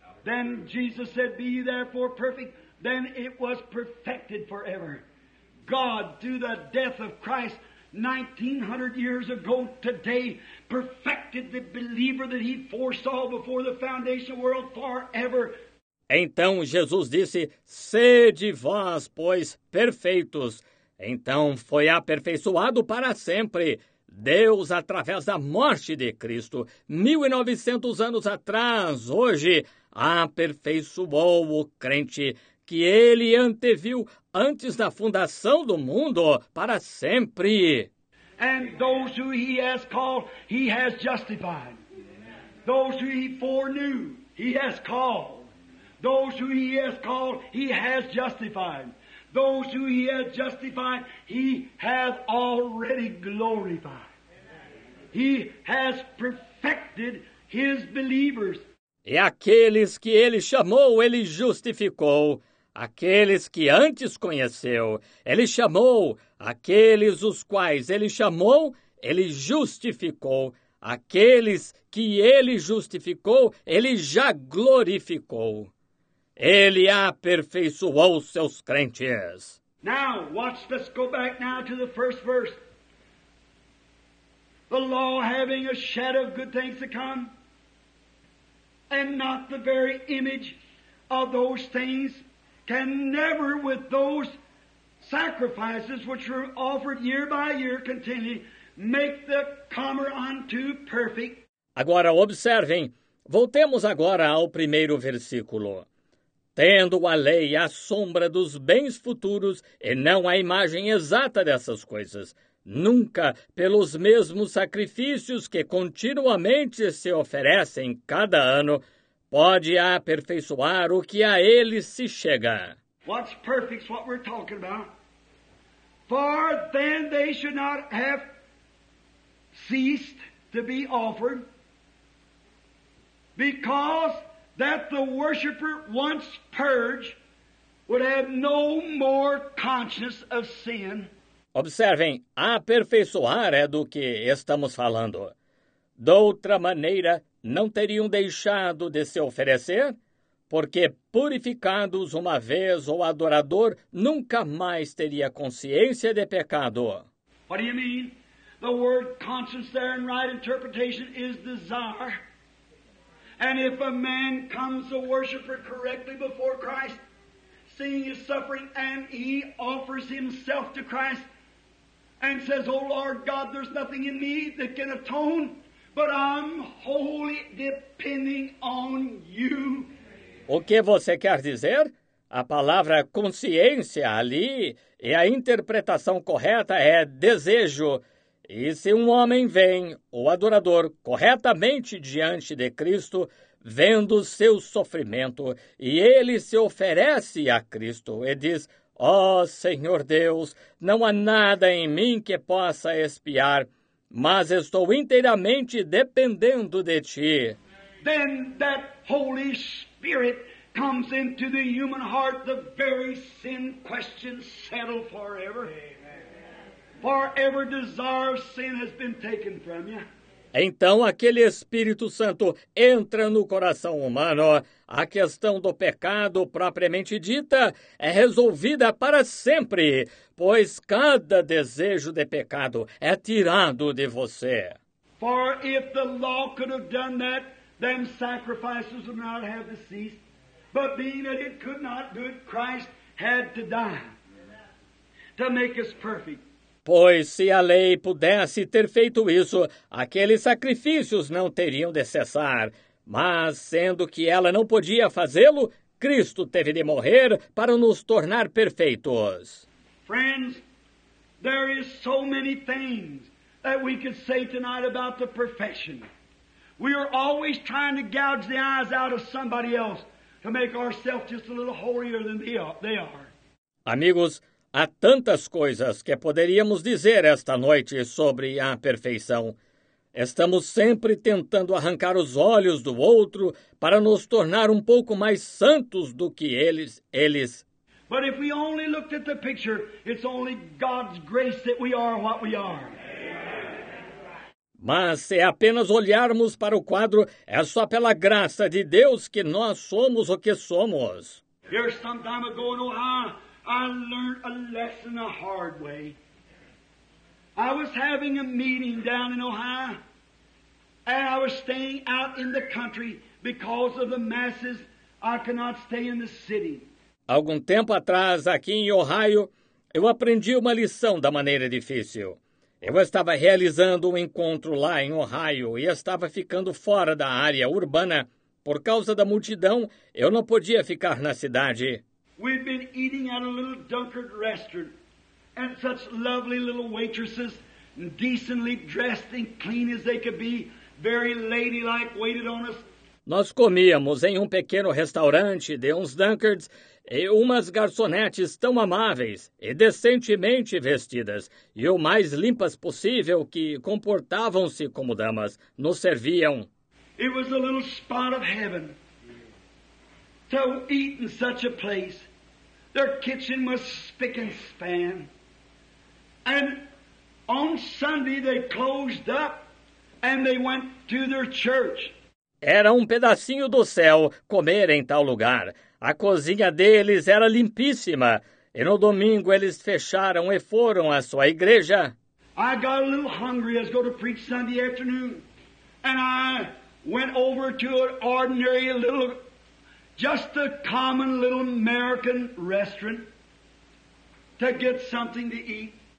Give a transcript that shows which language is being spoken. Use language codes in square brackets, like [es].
[en] Then Jesus said, be ye therefore perfect. Then it was perfected forever. God, through the death of Christ 1900 years ago today, perfected the believer that he foresaw before the foundation of the world forever. [pt] Então Jesus disse, sede vós, pois, perfeitos. Então foi aperfeiçoado para sempre Deus através da morte de Cristo. 1900 anos atrás, hoje, aperfeiçoou o crente que ele anteviu antes da fundação do mundo para sempre. [en] And those who he has called, he has justified. Those who he foreknew, he has called. Those who he has called, he has justified. Those who he has justified, he has already glorified. He has perfected his believers. [pt] E aqueles que ele chamou, ele justificou. Aqueles que antes conheceu, ele chamou. Aqueles os quais ele chamou, ele justificou. Aqueles que ele justificou, ele já glorificou. Ele aperfeiçoou seus crentes. [en] Now, watch, let's go back now to the first verse. The law having a shadow of good things to come, and not the very image of those things, can never with those sacrifices which were offered year by year continually make the comer unto perfect. [pt] Agora observem, voltemos agora ao primeiro versículo. Tendo a lei a sombra dos bens futuros e não a imagem exata dessas coisas, nunca pelos mesmos sacrifícios que continuamente se oferecem cada ano, pode aperfeiçoar o que a eles se chega. [en] What's perfect is what we're talking about. For then they should not have ceased to be offered, because that the worshiper once purged would have no more conscience of sin. [pt] Observem, aperfeiçoar é do que estamos falando. De outra maneira, não teriam deixado de se oferecer, porque purificados uma vez o adorador nunca mais teria consciência de pecado. [en] What do you mean? The word conscience there in right interpretation is desire. And if a man comes a worshiper correctly before Christ, seeing his suffering, and he offers himself to Christ, and says, O Lord God, there's nothing in me that can atone, but I'm wholly depending on you. [pt] O que você quer dizer? A palavra consciência ali e a interpretação correta é desejo. E se um homem vem, o adorador, corretamente diante de Cristo, vendo seu sofrimento, e ele se oferece a Cristo e diz, ó Senhor Deus, não há nada em mim que possa espiar, mas estou inteiramente dependendo de ti. [en] Then that Holy Spirit comes into the human heart, the very sin question settled forever. Forever desire of sin has been taken from you. [pt] Então aquele Espírito Santo entra no coração humano. A questão do pecado propriamente dita é resolvida para sempre, pois cada desejo de pecado é tirado de você. [en] For if the law could have done that, then sacrifices would not have ceased. But being that it could not do it, Christ had to die to make us perfect. [pt] Pois se a lei pudesse ter feito isso, aqueles sacrifícios não teriam de cessar. Mas, sendo que ela não podia fazê-lo, Cristo teve de morrer para nos tornar perfeitos. [en] Friends, there is so many things that we could say tonight about the perfection. We are always trying to gouge the eyes out of somebody else to make ourselves just a little holier than they are. [pt] Amigos, há tantas coisas que poderíamos dizer esta noite sobre a perfeição. Estamos sempre tentando arrancar os olhos do outro para nos tornar um pouco mais santos do que eles. [en] But if we only looked at the picture, it's only God's grace that we are what we are. [pt] Mas se apenas olharmos para o quadro, é só pela graça de Deus que nós somos o que somos. [en] Here some time ago in Ohio, I learned a lesson the hard way. I was having a meeting down in Ohio, and I was staying out in the country because of the masses. I cannot stay in the city. [pt] Algum tempo atrás, aqui em Ohio, eu aprendi uma lição da maneira difícil. Eu estava realizando um encontro lá em Ohio e estava ficando fora da área urbana. Por causa da multidão, eu não podia ficar na cidade. [en] We'd been eating at a little Dunkard restaurant, and such lovely little waitresses, decently dressed and clean as they could be, very ladylike, waited on us. [pt] Nós comíamos em um pequeno restaurante de uns Dunkards e umas garçonetes tão amáveis e decentemente vestidas e o mais limpas possível que comportavam-se como damas, nos serviam. [en] It was a little spot of heaven to eat in such a place. Their kitchen was spick and span. And on Sunday they closed up and they went to their church. [pt] Era um pedacinho do céu comer em tal lugar. A cozinha deles era limpíssima. E no domingo eles fecharam e foram à sua igreja. [en] I got a little hungry as I go to preach Sunday afternoon. And I went over to an ordinary little, just a common little American restaurant to get something to eat.